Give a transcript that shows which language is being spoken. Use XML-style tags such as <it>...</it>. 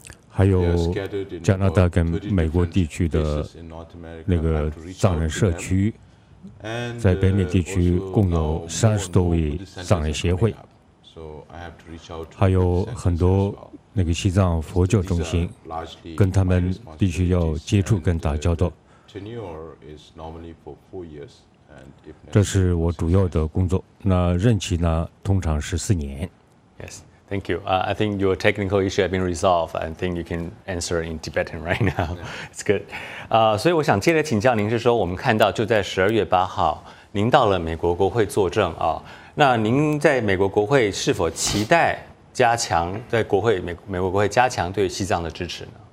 <zh>还有加拿大跟美国地区的那个藏人社区，在北美地区共有30多位藏人协会，还有很多那个西藏佛教中心，跟他们必须要接触跟打交道。这是我主要的工作，那任期呢通常是4年。</zh> <en>Yes, thank you. I think your technical issue has been resolved. I think you can answer in Tibetan right now. It's good.</en> <zh>所以我想接着请教您，是说我们看到就在12月8号您到了美国国会作证啊，那您在美国国会是否期待加强在国会美国国会加强对西藏的支持呢？</zh>